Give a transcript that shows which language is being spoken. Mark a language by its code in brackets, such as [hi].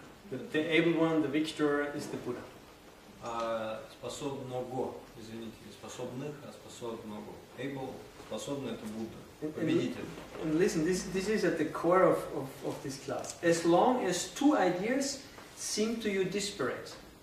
[en] The able one, the victor, is the Buddha. [ru] Способного, извините, не способных, а способного. Able, способный, это Будда, победитель. [en] And listen, this is at the core of this class. As long as two ideas seem to you disparate.